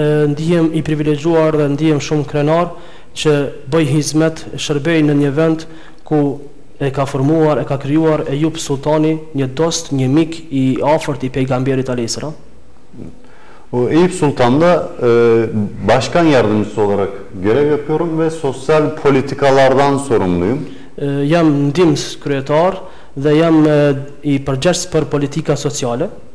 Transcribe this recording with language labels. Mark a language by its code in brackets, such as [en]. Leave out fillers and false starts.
[sq] Ndihem i privilegjuar dhe ndihem shumë krenar që bëj hizmet, shërbej në një vend ku e ka formuar, e ka krijuar Ejub Sultani, një dost, një mik i afërt i pejgamberit alayhis salam. [tr] O Eyüp Sultan'da başkan yardımcısı olarak görev yapıyorum ve sosyal politikalardan sorumluyum. [sq] Jam ndihmës kryetar dhe jam i përgjithshëm për politika sociale.